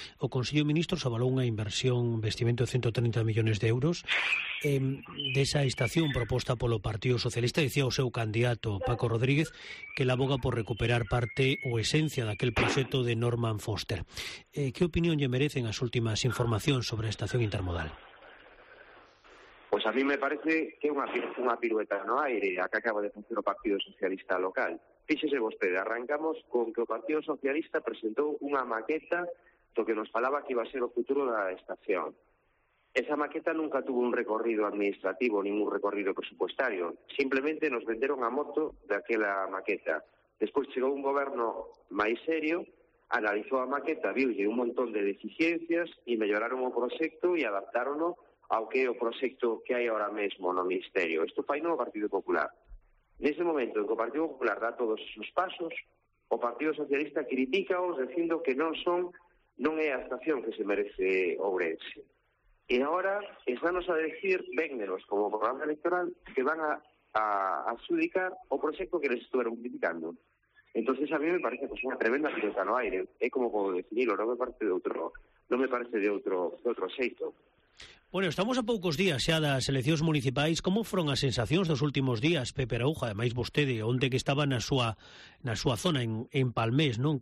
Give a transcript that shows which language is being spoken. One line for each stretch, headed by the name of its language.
Galician: O Consello de Ministros avalou unha inversión, un investimento de 130 millóns de euros desa estación proposta polo Partido Socialista. Decía o seu candidato Paco Rodríguez que laboga por recuperar parte ou esencia daquel proxecto de Norman Foster. Que opinión lle merecen as últimas informacións sobre a estación intermodal?
Spanish: Pues a mí me parece que una pirueta no aire a que acaba de funcionar el Partido Socialista local. Fíjese usted, arrancamos con que el Partido Socialista presentó una maqueta lo que nos falaba que iba a ser el futuro de la estación. Esa maqueta nunca tuvo un recorrido administrativo, ningún recorrido presupuestario. Simplemente nos vendieron a moto de aquella maqueta. Después llegó un gobierno más serio, analizó la maqueta, vio un montón de deficiencias y mejoraron el proyecto y adaptaronlo
Galician: ao que é o proxecto que hai ahora mesmo no Ministerio. Isto fai no Partido Popular. Nese momento en que o Partido Popular dá todos os pasos, o Partido Socialista critica-os dicindo que non é a estación que se merece Ourense. E agora, estános a decir, véndenos como programa electoral, que van a adjudicar o proxecto que les estuveron criticando. Entón,
Spanish: a mí me parece pues,
Galician: unha tremenda pirueta no aire. É como podo definirlo, non me parece de outro xeito. Bueno, estamos a poucos días xa das eleccións municipais. Como foron as sensacións dos últimos días, Pepe Araujo? Ademais, vostede, onde que estaba na súa zona, en Palmés, non?